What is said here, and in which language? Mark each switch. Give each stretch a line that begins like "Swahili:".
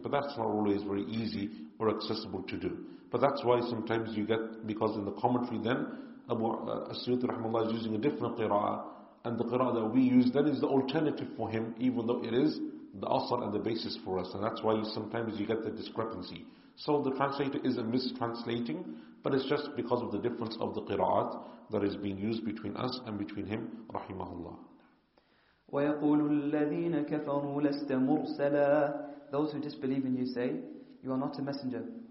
English: But that's not always very easy or accessible to do. But that's why sometimes you get, because in the commentary then, Abu As-Suyuti rahimahullah is using a different qira'ah, and the qira'ah that we use then is the alternative for him, even though it is the asr and the basis for us. And that's why sometimes you get the discrepancy. So the translator isn't mistranslating, but it's just because of the difference of the qira'ah that is being used between us and between him, rahimahullah.
Arabic: ويقول الذين كفروا لست مرسلا
English: Those who disbelieve in you say, you are not a messenger.